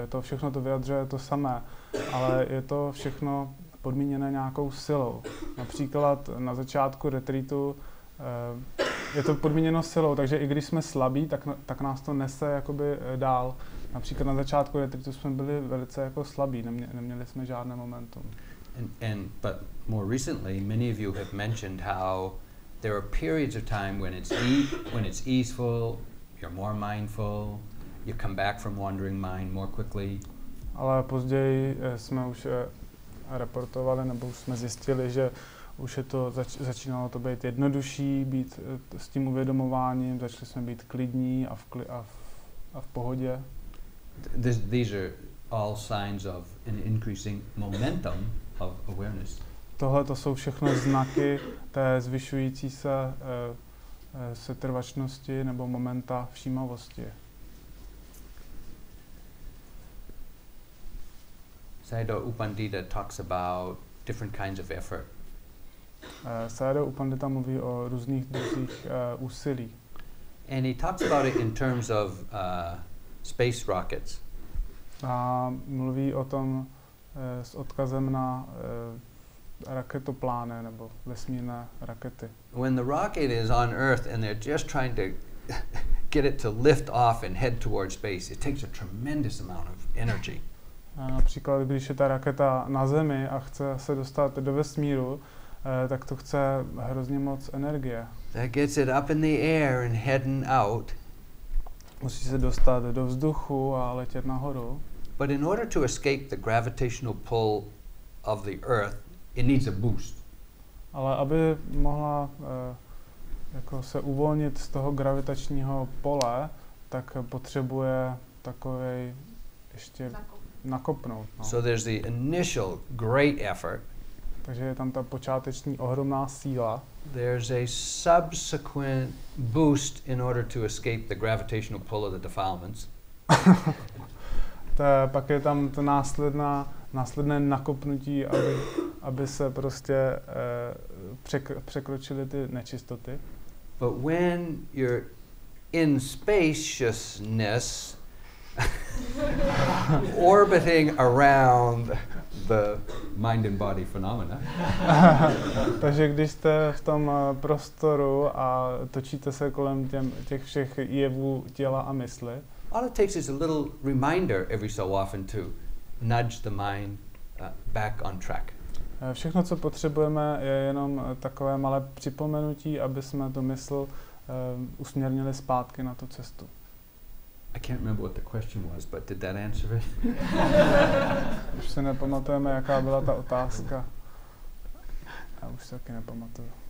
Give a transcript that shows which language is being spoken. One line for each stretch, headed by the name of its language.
Czech: Je to všechno, to vyjadřuje to samé, ale je to všechno podmíněné nějakou silou. Například na začátku retreatu je to podmíněno silou, takže i když jsme slabí, tak nás to nese jakoby dál. Například na začátku retreatu jsme byli velice jako slabí, neměli jsme žádné momentum.
English: But more recently, many of you have mentioned how there are periods of time when it's when it's easeful, you're more mindful, you come back from wandering mind more quickly.
Czech: Ale později jsme už reportovali, nebo už jsme zjistili, že už je to začínalo to být jednodušší, být s tím uvědomováním, začali jsme být klidní a v pohodě.
English: These are all signs of an increasing momentum of awareness.
Czech: Tohle to jsou všechno znaky té zvyšující se setrvačnosti nebo momenta všímavosti.
English: Sayadaw Upandita talks about different kinds of effort.
Czech: Sayadaw Upandita mluví o různých druzích úsilí.
English: And he talks about it in terms of space rockets.
Czech: A mluví o tom s odkazem na raketoplány nebo vesmírné rakety.
English: When the rocket is on Earth and they're just trying to get it to lift off and head towards space, it takes a tremendous amount of energy.
Czech: Například, když je ta raketa na Zemi a chce se dostat do vesmíru, tak to chce hrozně moc energie.
English: That gets it up in the air and heading out.
Czech: Musí se dostat do vzduchu a letět nahoru.
English: But in order to escape the gravitational pull of the Earth, it needs a boost.
Czech: Ale aby mohla jako se uvolnit z toho gravitačního pole, tak potřebuje takovej ještě nakopnout. No.
English: So there's the initial great effort.
Czech: Takže je tam ta počáteční ohromná síla.
English: There's a subsequent boost in order to escape the gravitational pull of the defilements.
Czech: Ta, pak je tam to následné nakopnutí, aby se prostě překročily ty nečistoty.
English: But when you're in spaciousness orbiting around the mind and body phenomena.
Czech: Takže když jste v tom prostoru a točíte se kolem těch všech jevů těla a mysli.
English: All it takes is a little reminder every so often to nudge the mind back on track.
Czech: Všechno, co potřebujeme, je jenom takové malé připomenutí, aby jsme tu mysl usměrnili zpátky na tu cestu.
English: I can't remember what the question was, but did that answer it?
Czech: Už se nepamatujeme, jaká byla ta otázka. Já už se taky nepamatuju.